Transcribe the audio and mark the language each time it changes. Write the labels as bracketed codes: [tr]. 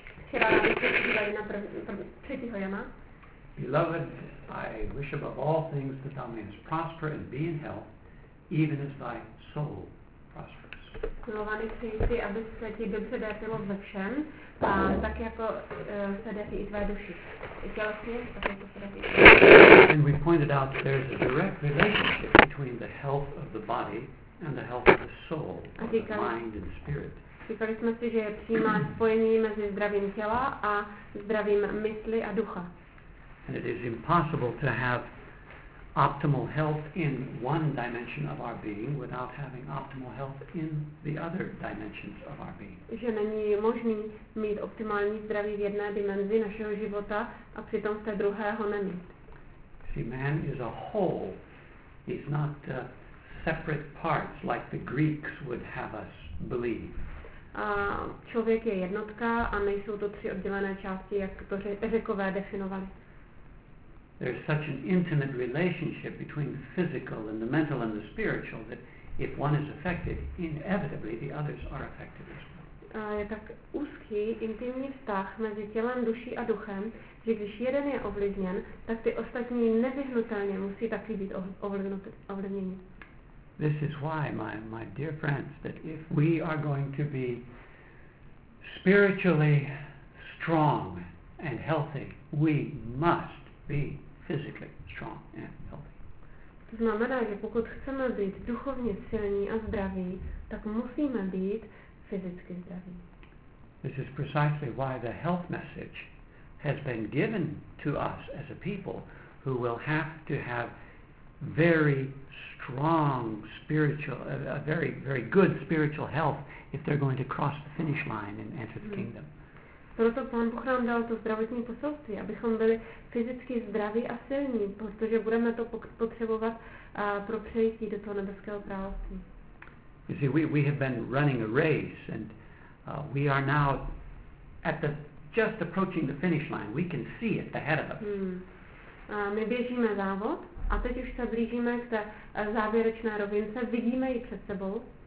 [en] Beloved, I wish above all things that thou mayest prosper and be in health, even as thy soul prospers. [cs] Milovaný, přeji si, aby se ti dobře dařilo ve všem, a tak jako se daří i tvé duši. I tělesně, tak jako se daří. [en] And we pointed out that there's a direct relationship between the health of the body and the health of the soul, of the mind and spirit. [cs] Říkali jsme si, že je přímá spojení mezi zdravím těla a zdravím mysli a ducha. [en] And it is impossible to have optimal health in one dimension of our being without having optimal health in the other dimensions of our being. [cs] Že není možný mít optimální zdraví v jedné dimenzi našeho života a přitom v té druhé ho nemít. [en] See, man is a whole. He's not separate parts like the Greeks would have us believe. [cs] A člověk je jednotka a nejsou to tři oddělené části, jak to Řekové definovali. [en] There's such an intimate relationship between the physical and the mental and the spiritual that if one is affected, inevitably the others are affected as well. [cs] Je tak úzký, intimní vztah mezi tělem, duší a duchem, že když jeden je ovlivněn, tak ty ostatní nevyhnutelně musí taky být ovlivněni. [en] This is why, my dear friends, that if we are going to be spiritually strong and healthy, we must be physically strong and healthy. [cs] To znamená, že pokud chceme být duchovně silní a zdraví, tak musíme být fyzicky zdraví. [en] This is precisely why the health message has been given to us as a people who will have to have very strong spiritual, a very, very good spiritual health if they're going to cross the finish line and enter the kingdom. [cs] Proto Pán Bůh nám dal to zdravotní poselství, abychom byli fyzicky zdraví a silní, protože budeme to potřebovat pro přejití do toho nebeského království. [en] You see, we have been running a race and we are now at the, just approaching the finish line. We can see it ahead of us. [cs] My běžíme závod a teď už se blížíme k té závěrečné rovince, vidíme ji před sebou.